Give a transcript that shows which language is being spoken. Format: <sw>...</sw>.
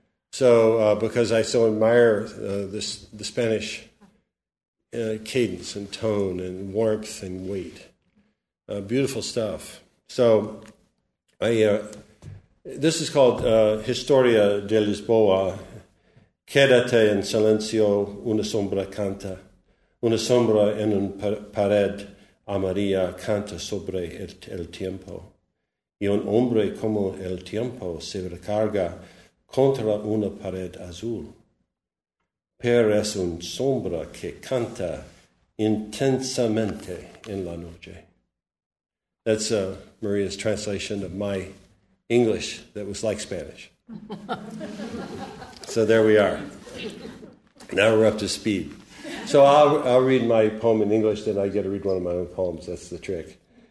<en>So because I so admire the Spanish cadence and tone and warmth and weight. Beautiful stuff. So this is called Historia de Lisboa.</en> <es>Quédate en silencio, una sombra canta. Una sombra en un pared amarilla canta sobre el tiempo. Y un hombre como el tiempo se recarga contra una pared azul. Pero es un sombra que canta intensamente en la noche.</es> <en>That's Maria's translation of my English that was like Spanish. So there we are. Now we're up to speed. So I'll read my poem in English, then I get to read one of my own poems. That's the trick.</en>